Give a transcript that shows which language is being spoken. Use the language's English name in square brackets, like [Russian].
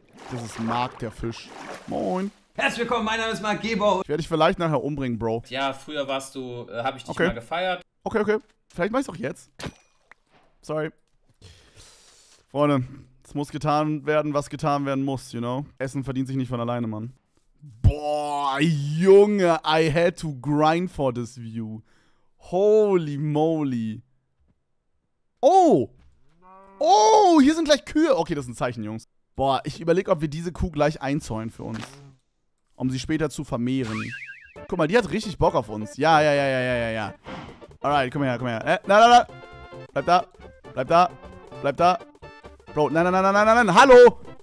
[German] Das ist Marc, der Fisch. Moin. Herzlich willkommen, mein Name ist Marc Gebo. Ich werde dich vielleicht nachher umbringen, Bro. Ja, früher warst du, habe ich dich okay. Mal gefeiert. Okay, okay. Vielleicht mach ich's auch jetzt. Sorry. Freunde, es muss getan werden, was getan werden muss, [English] you know? [German] Essen verdient sich nicht von alleine, Mann. Boah, Junge, [English] I had to grind for this view. Holy moly. Oh! [German] Oh, hier sind gleich Kühe. Okay, das ist ein Zeichen, Jungs. Boah, ich überlege, ob wir diese Kuh gleich einzäunen für uns. Um sie später zu vermehren. Guck mal, die hat richtig Bock auf uns. Ja. Alright, komm her. Nein. Bleib da. Bro, nein. Hallo!